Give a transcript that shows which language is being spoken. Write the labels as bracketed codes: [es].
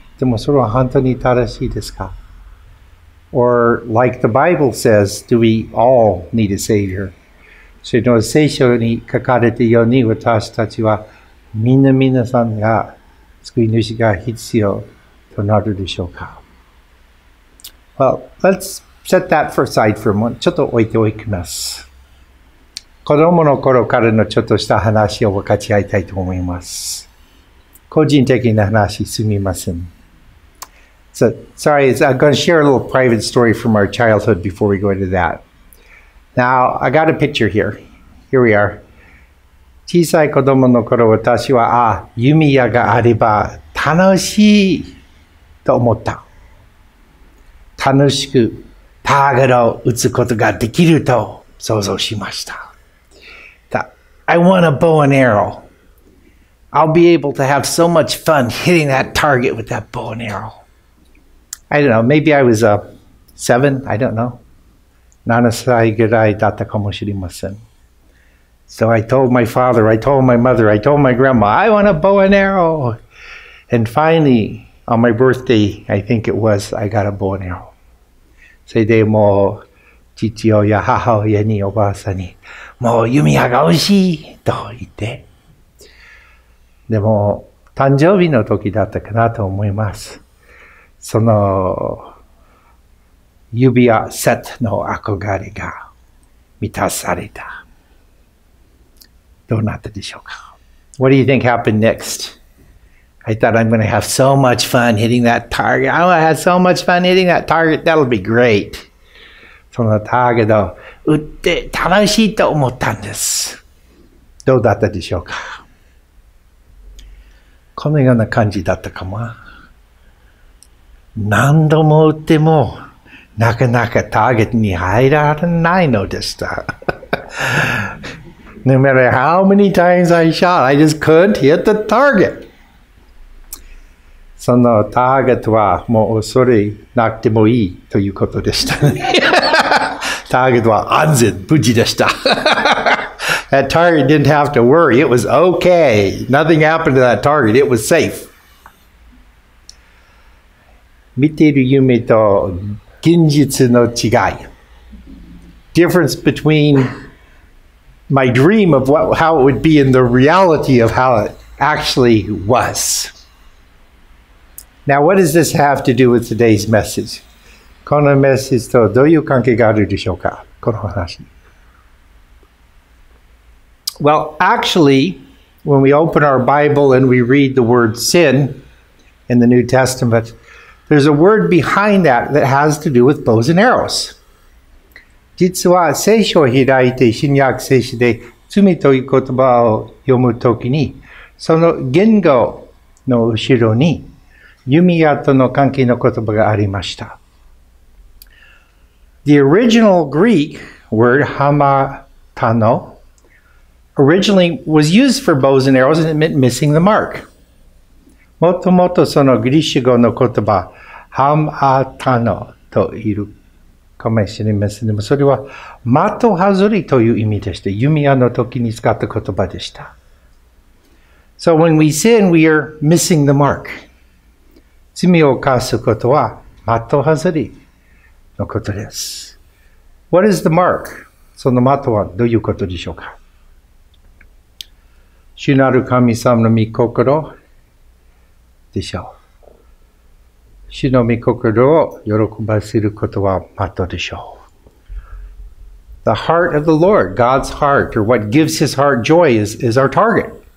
[ja] でもそれは本当に正しいですか? [en] Or like the Bible says, do we all need a savior? [ja] それの聖書に書かれているように私たちはみんなみなさんが救い主が必要となるでしょうか? [en] Well, let's set that for aside for a moment. [ja] ちょっと置いておきます。子供の頃からのちょっとした話を分かち合いたいと思います。個人的な話すみません。 [en] So, sorry, I'm going to share a little private story from our childhood before we go into that. Now, I got a picture here. Here we are. [ja] 小さい子供の頃、私は、ああ、弓矢があれば楽しいと思った。楽しくターゲットを打つことができると想像しました。 [en] I want a bow and arrow. I'll be able to have so much fun hitting that target with that bow and arrow. I don't know, maybe I was a 7, I don't know. [ja] 7歳ぐらいだったかもしれません。 [en] So I told my father, I told my mother, I told my grandma, I want a bow and arrow. And finally, on my birthday, I think it was, I got a bow and arrow. [ja] それでもう父親、母親におばあさんに、もう弓矢が欲しいと言って。でも誕生日の時だったかなと思います。その指輪セットの憧れが満たされた。どうなったでしょうか? [en] What do you think happened next? I thought I'm going to have so much fun hitting that target. I'm going to have so much fun hitting that target. That'll be great. [ja] そのターゲットを打って楽しいと思ったんです。どうだったでしょうか? このような感じだったかも。何度も打ってもなかなかターゲットに入られないのでした。 [en] No matter how many times I shot, I just couldn't hit the target. [ja] そのターゲットはもう恐れなくてもいいということでしたね。ターゲットは安全、無事でした。 [en] That target didn't have to worry. It was okay. Nothing happened to that target. It was safe. [ja] 見ている夢と現実の違い。 [en] Difference between my dream of what, how it would be in the reality of how it actually was. Now, what does this have to do with today's message? [ja] このメッセージとどういう関係があるでしょうか? この話。 [en] Well, actually, when we open our Bible and we read the word sin in the New Testament, there's a word behind that that has to do with bows and arrows. [ja] 実は聖書を開いて新約聖書で罪という言葉を読むときにその言語の後ろに弓矢との関係の言葉がありました。 [en] The original Greek word hamatano originally was used for bows and arrows and it meant missing the mark. [ja] もともとそのギリシャ語の言葉hamatano といるかもしれません。でもそれは的外れという意味でした。弓矢の時に使った言葉でした。 [en] So when we sin, we are missing the mark. [ja] 罪を犯すことは的外れのことです。 [en] What is the mark? [ja] その的はどういうことでしょうか? 主なる神様の御心でしょう。主の御心を喜ばせることは的でしょう。 [en] The heart of the Lord, God's heart, or what gives his heart joy is our target.